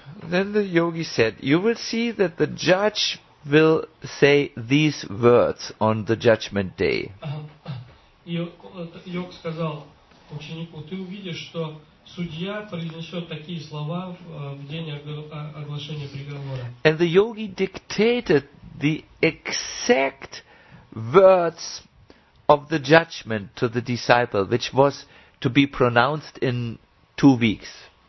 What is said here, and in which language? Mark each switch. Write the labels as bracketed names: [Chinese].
[English] Then the yogi said, you will see that the judge will say these words on the judgment day. [Russian] Йог сказал ученику, ты увидишь, что судья произнесет такие слова в день оглашения приговора. [English] And the yogi dictated the exact words of the judgment to the disciple, which was to be pronounced in 2 weeks.